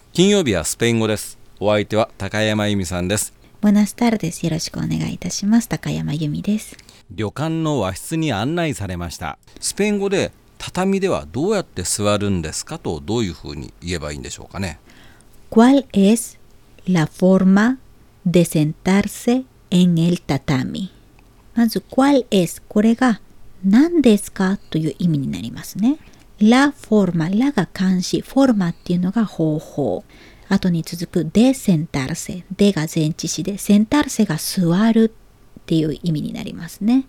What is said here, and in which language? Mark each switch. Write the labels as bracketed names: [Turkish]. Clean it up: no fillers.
[Japanese] 金曜日はスペイン語です。お相手は高山由美さんです。ボナスタルです。よろしくお願いいたします。高山由美です。旅館の和室に案内されました。スペイン語で畳ではどうやって座るんですかと、どういうふうに言えばいいんでしょうかね。 [Spanish] ¿Cuál es la forma de sentarse en el tatami? まず ¿Cuál es? [Japanese] これが何ですかという意味になりますね。 [Spanish] La forma、 [Japanese] la が漢詞、 forma っていうのが方法、後に続く [Spanish] de sentarse、 [Japanese] でが前置詞で sentarse が座るっていう意味になりますね、